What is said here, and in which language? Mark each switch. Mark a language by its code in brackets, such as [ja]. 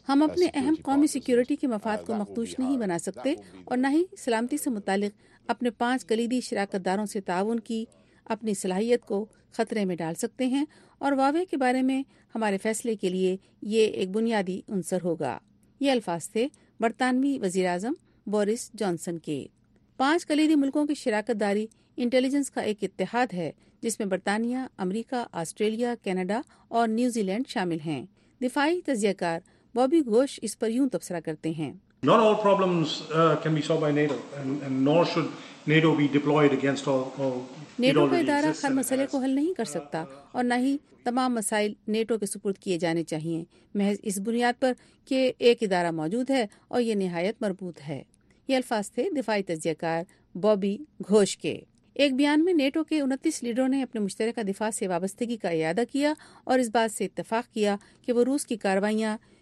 [ur] ہم اپنے اہم قومی سیکیورٹی کے مفاد کو مخدوش نہیں بنا سکتے اور نہ ہی سلامتی سے متعلق اپنے پانچ کلیدی شراکت داروں سے تعاون کی اپنی صلاحیت کو خطرے میں ڈال سکتے ہیں، اور واوے کے بارے میں ہمارے فیصلے کے لیے یہ ایک بنیادی عنصر ہوگا۔ یہ الفاظ تھے برطانوی وزیراعظم بورس جانسن کے۔ پانچ کلیدی ملکوں کی شراکت داری انٹیلیجنس کا ایک اتحاد ہے جس میں برطانیہ، امریکہ، آسٹریلیا، کینیڈا اور نیوزی لینڈ شامل ہیں۔ دفاعی تجزیہ کار بوبی گھوش اس پر یوں تبصرہ کرتے ہیں، [en] Not all problems can be solved by NATO, and nor should NATO be deployed against all. [ur] NATO کا ادارہ ہر مسئلے کو حل نہیں کر سکتا اور نہ ہی تمام مسائل نیٹو کے سپرد کیے جانے چاہیے، محض اس بنیاد پر کہ ایک ادارہ موجود ہے اور یہ نہایت مربوط ہے۔ یہ الفاظ تھے دفاعی تجزیہ کار بوبی گھوش کے۔ ایک بیان میں نیٹو کے 29 لیڈروں نے اپنے مشترکہ دفاع سے وابستگی کا اعادہ کیا اور اس بات سے اتفاق کیا کہ وہ روس کی کاروائیاں